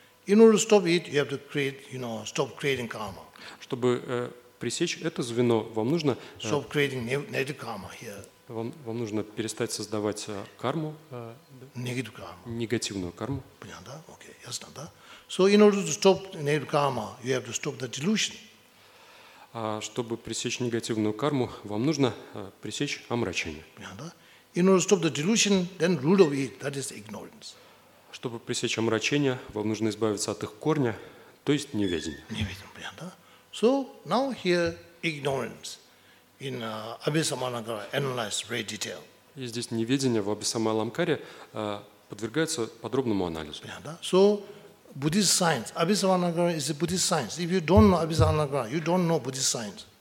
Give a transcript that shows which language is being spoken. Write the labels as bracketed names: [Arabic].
[English] In order to stop it, you have to create, you know, stop creating karma. [Russian] Чтобы пресечь это звено, вам нужно [English] stop creating negative karma here. [Russian] Вам нужно перестать создавать карму. [English] Negative karma. [Russian] Негативную карму. Понятно? Okay, ясно, да? [English] So in order to stop negative karma, you have to stop the delusion. [Russian] Чтобы пресечь негативную карму, вам нужно пресечь омрачение. [English] In order to stop the delusion, then root of it, that is ignorance. [Russian] Чтобы пресечь омрачение, вам нужно избавиться от их корня, то есть неведение. [English] Неведение. So now here ignorance in Abhisamayalankara analyzed very detail. [Russian] И здесь неведение в Абхисамайалангкаре подвергается подробному анализу. [English] So Buddhist science. Abhisamayalankara is a Buddhist science. If you don't know Abhisamayalankara, you don't know Buddhist science.